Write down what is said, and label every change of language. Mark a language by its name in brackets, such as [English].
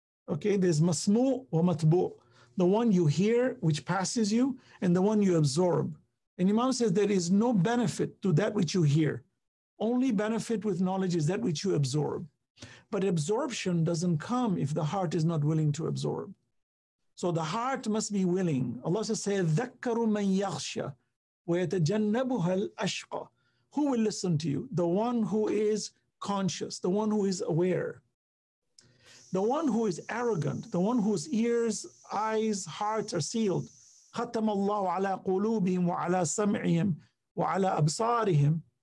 [English] Okay, there's [Arabic] masmu wa matbu. [English] The one you hear, which passes you, and the one you absorb. And Imam says there is no benefit to that which you hear. Only benefit with knowledge is that which you absorb. But absorption doesn't come if the heart is not willing to absorb. So the heart must be willing. Allah says, [Arabic] ذَكَّرُ مَنْ يَخْشَى وَيَتَجَنَّبُهَا الْأَشْقَى. [English] Who will listen to you? The one who is conscious, the one who is aware. The one who is arrogant, the one whose ears, eyes, hearts are sealed. [Arabic] خَتَّمَ اللَّهُ عَلَىٰ قُلُوبِهِمْ وَعَلَىٰ سَمْعِهِمْ وَعَلَىٰ أَبْصَارِهِمْ.